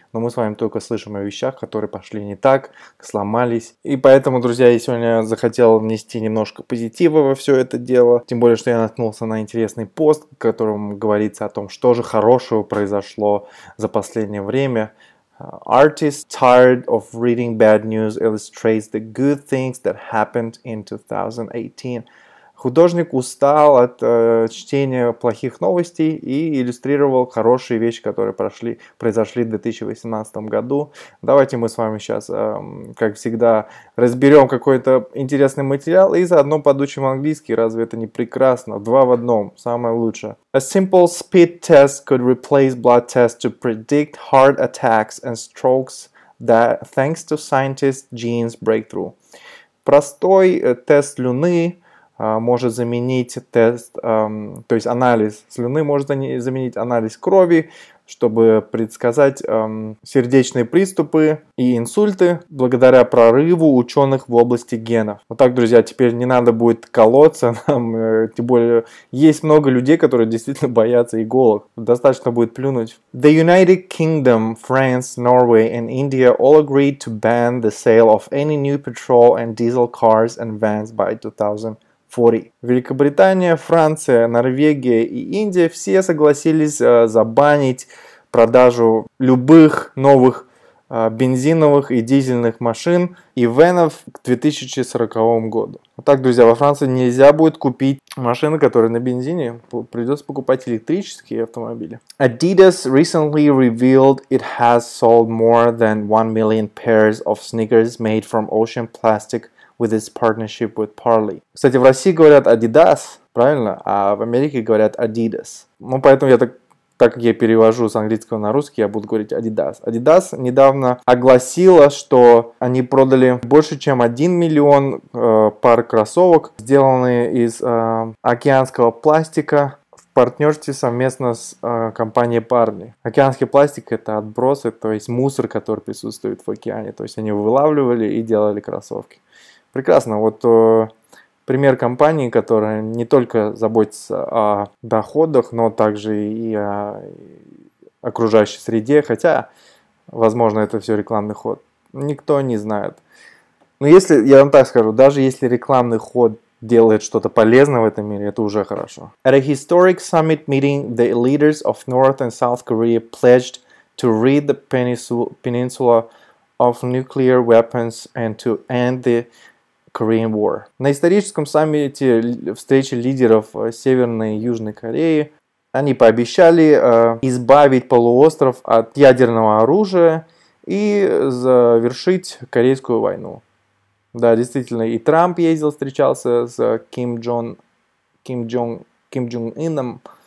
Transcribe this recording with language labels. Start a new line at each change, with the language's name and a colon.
Russian: Но мы с вами только слышим о вещах, которые пошли не так, сломались. И поэтому, друзья, я сегодня захотел внести немножко позитива во все это дело. Тем более, что я наткнулся на интересный пост, в котором говорится о том, что же хорошего произошло за последнее время.
English: Artist tired of reading bad news illustrates the good things that happened in 2018.
Russian: Художник устал от чтения плохих новостей и иллюстрировал хорошие вещи, которые произошли в 2018 году. Давайте мы с вами сейчас, как всегда, разберем какой-то интересный материал и заодно подучим английский. Разве это не прекрасно? Два в одном. Самое лучшее.
English: A simple speed test could replace blood tests to predict heart attacks and strokes that, thanks to scientists' genes breakthrough.
Russian: Простой тест слюны может заменить тест, то есть анализ слюны может заменить анализ крови, чтобы предсказать сердечные приступы и инсульты благодаря прорыву ученых в области генов. Вот так, друзья, теперь не надо будет колоться, нам, тем более есть много людей, которые действительно боятся иголок. Достаточно будет плюнуть.
English: The United Kingdom, France, Norway and India all agreed to ban the sale of any new petrol and diesel cars and vans by 2040.
Russian: Великобритания, Франция, Норвегия и Индия все согласились забанить продажу любых новых бензиновых и дизельных машин и венов к 2040 году. Вот так, друзья, во Франции нельзя будет купить машины, которые на бензине. Придется покупать электрические автомобили.
English: Adidas recently revealed it has sold more than 1 million pairs of sneakers made from ocean plastic with its partnership with Parley.
Russian: Кстати, в России говорят Adidas, правильно? А в Америке говорят Adidas. Ну, поэтому я так как я перевожу с английского на русский, я буду говорить Adidas. Adidas недавно огласила, что они продали больше, чем 1 миллион пар кроссовок, сделанные из океанского пластика в партнерстве совместно с компанией Parley. Океанский пластик – это отбросы, то есть мусор, который присутствует в океане. То есть они вылавливали и делали кроссовки. Прекрасно. Вот пример компании, которая не только заботится о доходах, но также и о окружающей среде. Хотя, возможно, это все рекламный ход. Никто не знает. Но если, я вам так скажу, даже если рекламный ход делает что-то полезное в этом мире, это уже хорошо.
English: At a historic summit meeting, the leaders of North and South Korea pledged to rid the peninsula of nuclear weapons and to end the Korean War.
Russian: На историческом саммите встречи лидеров Северной и Южной Кореи они пообещали избавить полуостров от ядерного оружия и завершить Корейскую войну. Да, действительно, и Трамп ездил, встречался с Ким Джонг Ином.